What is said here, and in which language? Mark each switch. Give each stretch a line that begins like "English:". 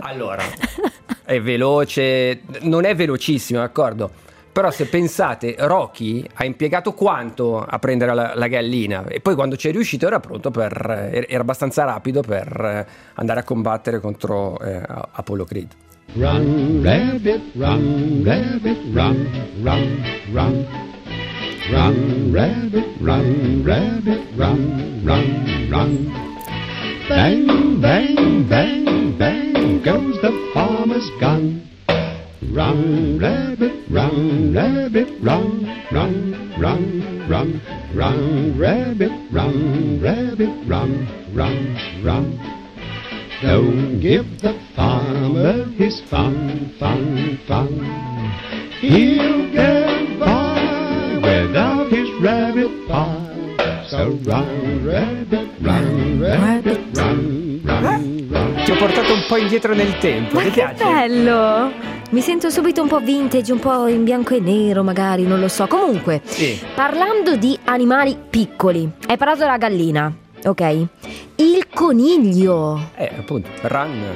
Italian: Allora, è veloce, non è velocissimo, d'accordo? Però se pensate, Rocky ha impiegato quanto a prendere la gallina, e poi quando ci è riuscito era pronto era abbastanza rapido per andare a combattere contro Apollo Creed.
English: Run, rabbit, run, rabbit, run, run, run. Run, rabbit, run, rabbit, run, run, run. Bang, bang, bang, bang, goes the farmer's gun. run, rabbit, run, rabbit, run, run, run, run, run, rabbit, run, rabbit, run, run, run. Don't give the farmer his fun, fun, fun. He'll get by without his rabbit pie. So run, rabbit, run, rabbit, run, run, run.
Italian: Ti ho portato un po' indietro nel tempo. Ma ti che piace? Bello! Mi sento subito un po' vintage, un po' in bianco e nero magari, non lo so. Comunque, sì. Parlando di animali piccoli, hai parlato della gallina, ok? Il coniglio. Appunto, run.